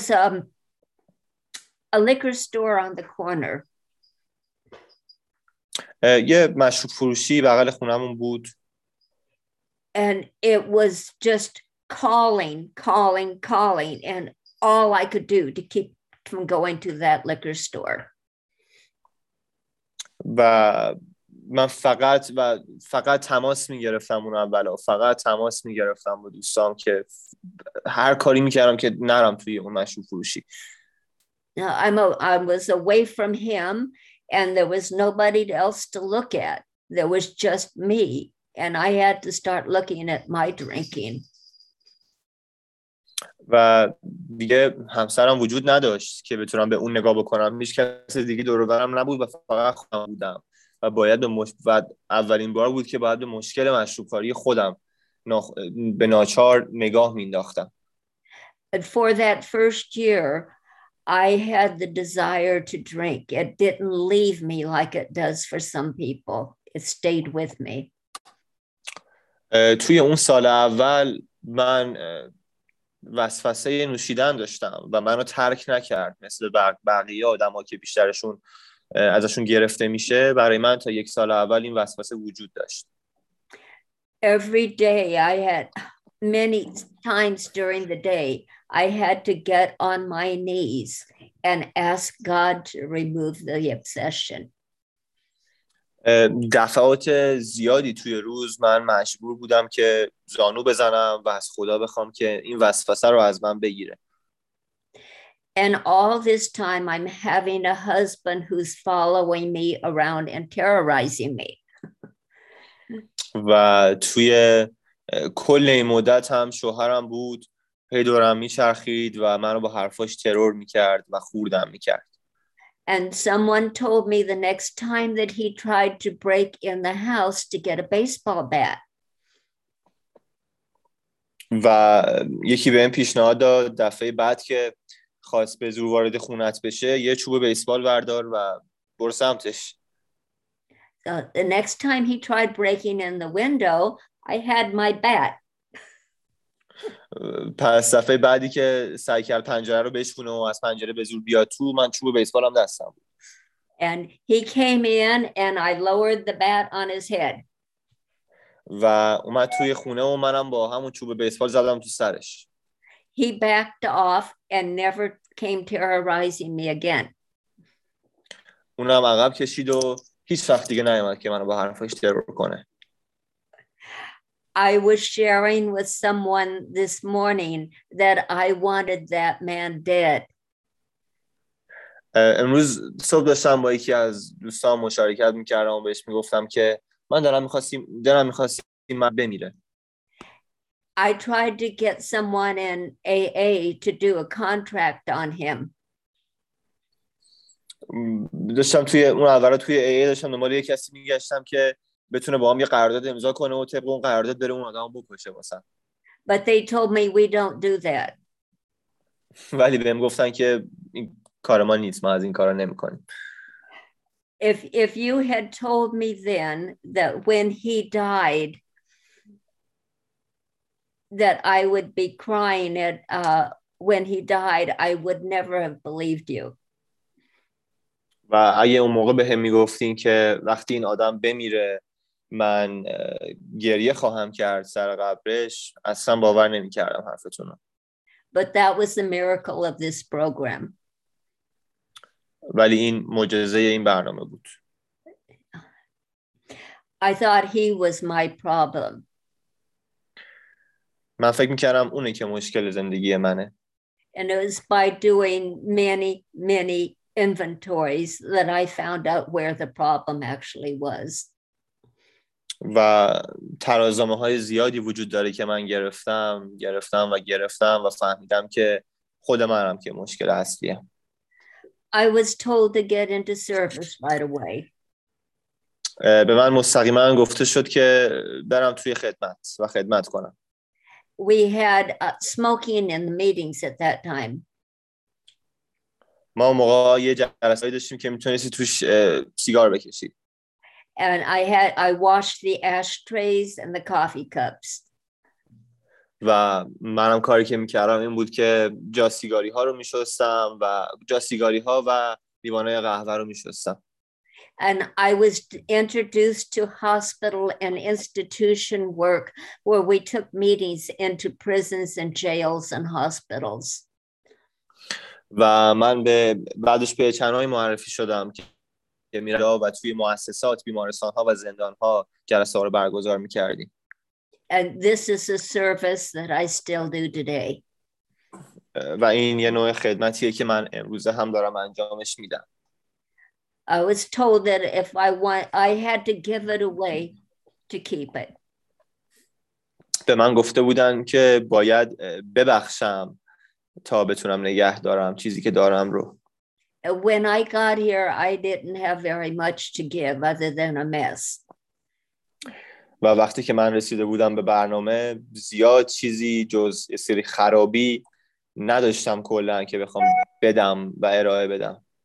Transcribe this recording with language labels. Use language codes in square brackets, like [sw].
[en] There was a liquor store on the corner. [fa] یه مشروب فروشی بغل خونمون بود. [en] And it was just calling, and all I could do to keep from going to that liquor store. [fa] و من فقط و فقط تماس میگرفتم اون اول و فقط تماس میگرفتم با دوستام که هر کاری میکردم که نرم توی اون مشروب فروشی. [en] I was away from him and there was nobody else to look at. There was just me and I had to start looking at my drinking. [fa] و دیگه همسرم وجود نداشت که بتونم به اون نگاه بکنم. هیچ کس دیگه دور و برم نبود و فقط خودم بودم و باید اولین بار بود که باید به مشکل مشروب‌خوری خودم به ناچار نگاه مینداختم. [en] And for that first year I had the desire to drink. It didn't leave me like it does for some people. It stayed with me. [fa] توی اون سال اول من وسوسه نوشیدن داشتم و منو ترک نکرد مثل بقیه آدم ها که بیشترشون ازشون گرفته میشه. برای من تا 1 سال اول این وسوسه وجود داشت. [en] Every day I had many times during the day I had to get on my knees and ask God to remove the obsession. [fa] دفعات زیادی توی روز من مجبور بودم که زانو بزنم و از خدا بخوام که این وسوسه رو از من بگیره. [en] And all this time I'm having a husband who's following me around and terrorizing me. [fa] و توی کل این مدت هم شوهرم بود هی دورم میچرخید و منو با حرفاش ترور میکرد و خوردم میکرد. [en] And someone told me the next time that he tried to break in the house to get a baseball bat. [fa] و یکی بهم پیشنهاد داد دفعه بعد که خواست به زور وارد خونت بشه یه چوب بیسبال بردار و برو سمتش. [en] The next time he tried breaking in the window, I had my bat. [fa] پس دفعه بعدی که سعی کرد پنجره رو بشکونه و از پنجره به زور بیاد تو من چوب بیسبال هم دستم بود. [en] And he came in and I lowered the bat on his head. [fa] و اومد توی خونه و منم با همون چوب بیسبال زدم تو سرش. [en] He backed off and never came terrorizing me again. [fa] اونم عقب کشید و هیچ وقت دیگه نیومد که منو با حرفش ترور کنه. [en] I was sharing with someone this morning that I wanted that man dead. [fa] امروز صبح داشتم با یکی از دوستان مشارکت میکردم و بهش میگفتم که من دلم میخواستیم من بمیره. [en] I tried to get someone in AA to do a contract on him. [fa] داشتم توی اون اول توی AA داشتم دنبال یک کسی میگشتم که بتونه با هم یه قرارداد امضا کنه و طبق اون قرارداد بره اون آدمو بکشه مثلا. [en] But they told me we don't do that. [fa] ولی بهم گفتن که این کار ما نیست، ما از این کارا نمی‌کنیم. [en] If you had told me then that when he died that I would be crying at when he died, I would never have believed you. [fa] و اگه اون موقع به هم میگفتین که وقتی این آدم بمیره من گریه خواهم کرد سر قبرش، اصلا باور نمیکردم حرفتونو. [en] But that was the miracle of this program. [fa] ولی این معجزه این برنامه بود. [en] I thought he was my problem. [fa] من فکر میکردم اونه که مشکل زندگی منه. [en] And it was by doing many, many inventories that I found out where the problem actually was. [fa] و ترازنامه‌های زیادی وجود داره که من گرفتم و گرفتم و فهمیدم که خود منم که مشکل اصلیه. [en] I was told to get into service right away. [fa] به من مستقیما گفته شد که برم توی خدمت و خدمت کنم. [en] We had smoking in the meetings at that time. [fa] ما موقع یه جلسه داشتیم که میتونستی توش سیگار بکشی. [en] And I washed the ashtrays and the coffee cups. [fa] و منم کاری که میکردم این بود که جا سیگاری ها رو میشستم و جا سیگاری ها و لیوانای قهوه رو میشستم. [en] And I was introduced to hospital and institution work where we took meetings into prisons and jails and hospitals. [fa] و من به بعدش به چنهایی معرفی شدم که میرا و توی مؤسسات بیمارستان ها و زندان ها جلسه ها رو برگزار میکردیم. [en] And this is a service that I still do today. [fa] و این یه نوع خدمتیه که من امروزه هم دارم انجامش میدم. [en] I was told that if I want, I had to give it away to keep it. [fa] به من گفته بودن که باید ببخشم تا بتونم نگه دارم چیزی که دارم رو. [en] When I got here, I didn't have very much to give other than a mess. [fa] و وقتی که من رسیده بودم به برنامه زیاد چیزی جز یه سری خرابی نداشتم کلاً که بخوام بدم و ارائه بدم.